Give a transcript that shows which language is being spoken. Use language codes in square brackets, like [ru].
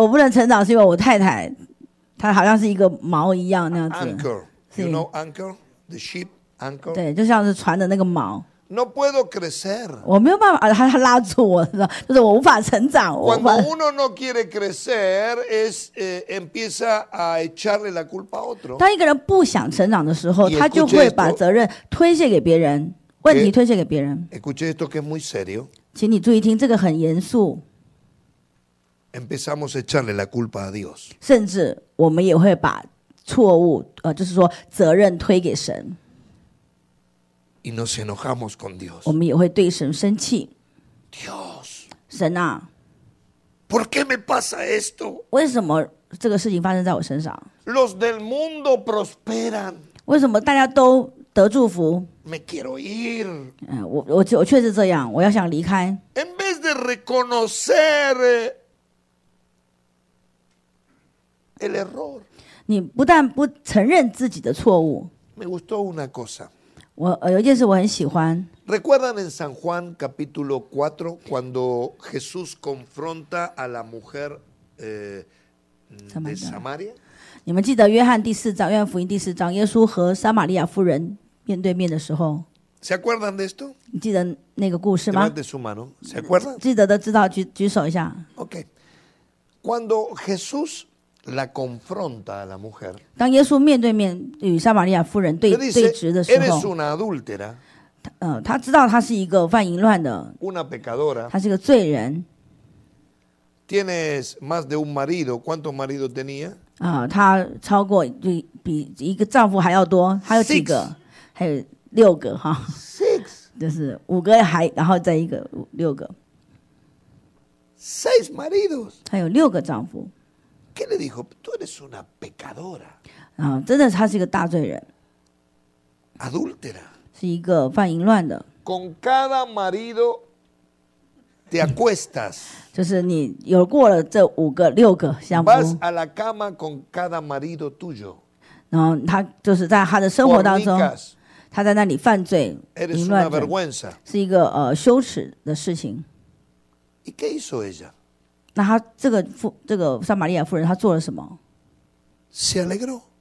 [zh] 我不能成长是因为我太太，她好像是一个锚一样那样子。 [en] Anchor. You know anchor? The ship anchor? [zh] 对，就像是船的那个锚。 [es] No puedo crecer. [zh] 我没有办法，他拉住我，就是我无法成长。 [es] Cuando uno no quiere crecer, empieza a echarle la culpa a otro. [zh] 当一个人不想成长的时候，他就会把责任推卸给别人，问题推卸给别人。 [es] Escuche esto que es muy serio. [zh] 请你注意听，这个很严肃。 [es] Empezamos a echarle la culpa a Dios. [zh] 甚至我们也会把错误，就是说责任推给神。 [es] Y nos enojamos con Dios. [zh] 我们也会对神生气。 [es] Dios, [zh] 神啊， [es] ¿por qué me pasa esto? [zh] 为什么这个事情发生在我身上？ [es] Los del mundo prosperan. [zh] 为什么大家都得祝福？ [es] Me quiero ir. [zh] 我确实这样，我要想离开。 [es] En vez de reconocer el error, [zh] 你不但不承认自己的错误。 [es] Me gustó una cosa. [zh] 有一件事我很喜欢。 [es] Recuerdan en San Juan capítulo 4 cuando Jesús confronta a la mujer de Samaria? [zh] 你们记得约翰第四章，约翰福音第四章，耶稣和撒玛利亚妇人面对面的时候。 [es] ¿Se acuerdan de esto? [zh] 你记得那个故事吗？ [es] Levante su mano. ¿Se acuerdan? [zh] 记得的知道举手一下。 [es] Okay. Cuando Jesús la confronta a la mujer. [zh] 当耶稣面对面与撒玛利亚妇人对对质的时候， [es] eres una adúltera. [zh] 他知道他是一个犯淫乱的， [es] una pecadora. [zh] 他是个罪人。 [es] Tienes más de un marido. ¿Cuántos maridos tenía? [zh] 他超过比一个丈夫还要多，还有几个？ [en] Six. [zh] 还有六个哈。 [en] Six. [zh] 就是五个还，然后再一个六个。 [es] Seis maridos. [zh] 他有六个丈夫。 [es] ¿Qué le dijo? Tú eres una pecadora. [zh] 真的他是一个大罪人。 [es] Adúltera. [zh] 是一个犯淫乱的。 [es] Con cada marido te acuestas. [zh] 就是你有过了这五个六个相夫。 [es] Vas a la cama con cada marido tuyo. [zh] 然后他就是在他的生活当中，他在那里犯罪淫乱着，是一个羞耻的事情。 [es] ¿Y qué hizo ella? [zh] 那他这个撒玛利亚妇人，他做了什么？ [es] Se alegró.